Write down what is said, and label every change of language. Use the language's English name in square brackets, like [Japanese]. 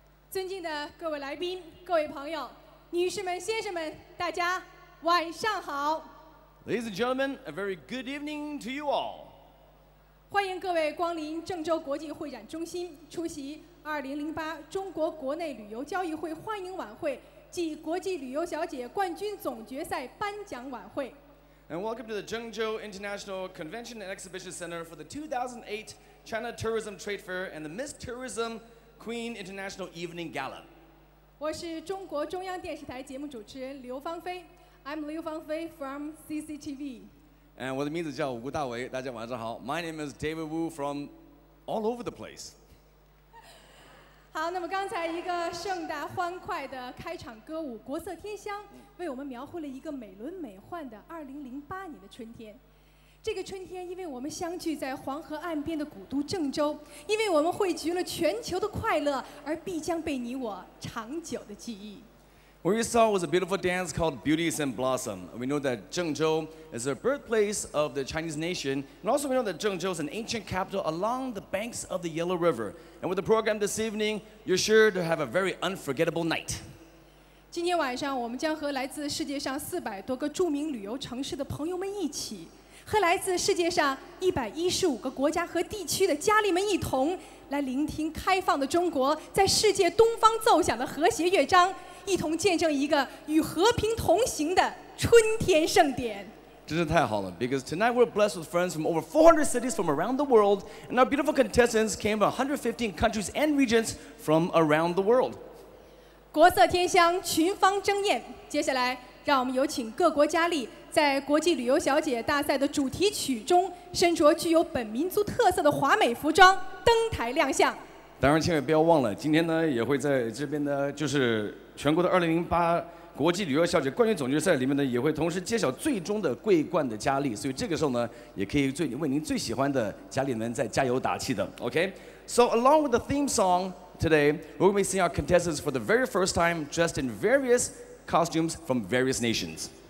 [Chinese] 尊敬的各位来宾、各位朋友、女士们、先生们，大家晚上好。 [English] Ladies and gentlemen, a very good evening to you all. [Chinese] 欢迎各位光临郑州国际会展中心，出席2008中国国内旅游交易会欢迎晚会暨国际旅游小姐冠军总决赛颁奖晚会。 [English] And welcome to the Zhengzhou International Convention and Exhibition Center for the 2008 China Tourism Trade Fair and the Miss Tourism Queen International Evening Gala. [Chinese] 我是中国中央电视台节目主持人刘芳菲。 [English] I'm Liu Fangfei from CCTV. [Chinese] And 我的名字叫吴大维，大家晚上好。 [English] My name is David Wu from all over the place. [Chinese] 好，那么刚才一个盛大欢快的开场歌舞，国色天香，为我们描绘了一个美轮美奂的2008年的春天。这个春天，因为我们相聚在黄河岸边的古都郑州，因为我们汇聚了全球的快乐，而必将被你我长久的记忆。 [English] What you saw was a beautiful dance called Beauties and Blossom. We know that Zhengzhou is the birthplace of the Chinese nation. And also we know that Zhengzhou is an ancient capital along the banks of the Yellow River. And with the program this evening, you're sure to have a very unforgettable night. [Chinese] 今天晚上我们将和来自世界上400多个著名旅游城市的朋友们一起，和来自世界上115个国家和地区的佳丽们一同，来聆听开放的中国在世界东方奏响的和谐乐章，一同见证一个与和平同行的春天盛典。真是太好了 [English] ，because tonight we're blessed with friends from over 400 cities from around the world, and our beautiful contestants came from 115 countries and regions from around the world. [Chinese] 国色天香，群芳争艳。接下来，让我们有请各国佳丽在国际旅游小姐大赛的主题曲中，身着具有本民族特色的华美服装登台亮相。当然，千万不要忘了，今天呢也会在这边呢，就是全国的2008国际旅游小姐冠军总决赛里面呢，也会同时揭晓最终的桂冠的佳丽。所以这个时候呢，也可以为您最喜欢的佳丽们在加油打气的。 [English] Okay, so along with the theme song today, we will be seeing our contestants for the very first time dressed in various costumes from various nations.